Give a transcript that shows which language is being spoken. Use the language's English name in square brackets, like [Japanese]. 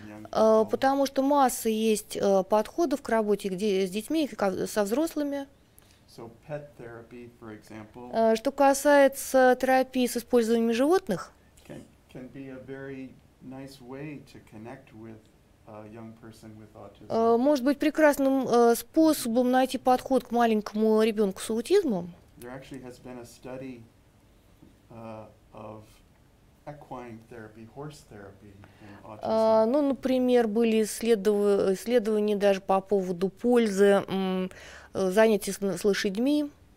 [Russian] Потому что масса есть подходов к работе с детьми и со взрослыми. [English] So pet therapy, for example, [Russian] что касается терапии с использованием животных, [English] can be a very nice way to connect with a young person with autism. [Russian] Может быть прекрасным способом найти подход к маленькому ребенку с аутизмом. [English] There actually has been a study of equine therapy, horse therapy in autism. [Russian] Ну, например, были исследования даже по поводу пользы занятия с лошадьми.